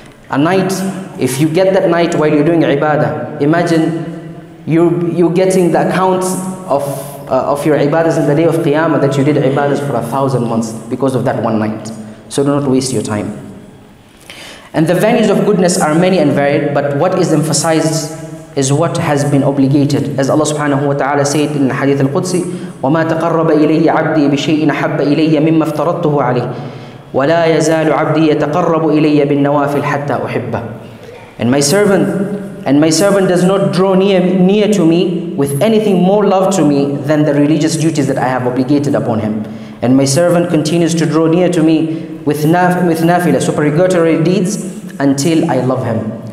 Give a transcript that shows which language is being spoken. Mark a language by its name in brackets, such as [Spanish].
[English] A night, if you get that night while you're doing ibadah, imagine you're getting the account of your ibadahs in the day of Qiyamah, that you did ibadahs for 1,000 months because of that one night. So do not waste your time. And the venues of goodness are many and varied, but what is emphasized is what has been obligated. [Arabic] As Allah subhanahu wa ta'ala said in the Hadith al-Qudsi, وَمَا تَقَرَّبَ إِلَيَّ عَبْدِي بِشَيْءٍ أَحَبَّ إِلَيَّ مِمَّ افْتَرَضْتُهُ عَلَيْهِ وَلَا يَزَالُ عَبْدِي يَتَقَرَّبُ إِلَيَّ بِالنَّوَافِلِ حَتَّى أُحِبَّهُ. [English] And my servant does not draw near to me with anything more love to me than the religious duties that I have obligated upon him. And my servant continues to draw near to me with nafila, supererogatory deeds, until I love him.